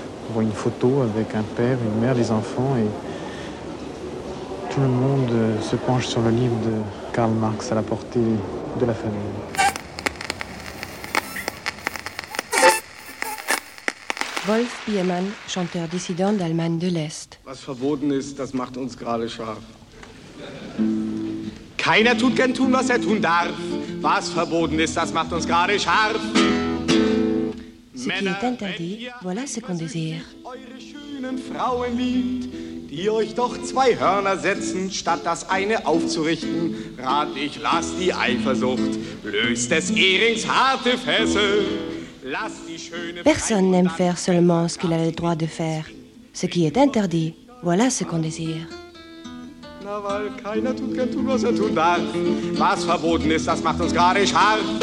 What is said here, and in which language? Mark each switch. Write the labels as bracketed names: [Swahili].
[French] On voit une photo avec un père, une mère, des enfants, et tout le monde se penche sur le livre de Karl Marx à la portée de la famille. Wolf Biermann, chanteur dissident d'Allemagne de l'Est. [German] Was verboten ist, das macht uns gerade scharf. Keiner tut gern tun, was er tun darf. Was verboten ist, das macht uns gerade scharf. [French] Ce qui est interdit, voilà ce qu'on désire. [German] Eure schönen Frauen liebt, die euch doch zwei Hörner setzen, statt das eine aufzurichten, rat ich, lass die Eifersucht, löst des Ehrings harte Fessel. Lass die schöne. [French] Personne n'aime faire seulement ce qu'il a le droit de faire. Ce qui est interdit, voilà ce qu'on désire. [German] Na, weil keiner tut gern tun, was er tun darf. Was verboten ist, das macht uns gerade scharf.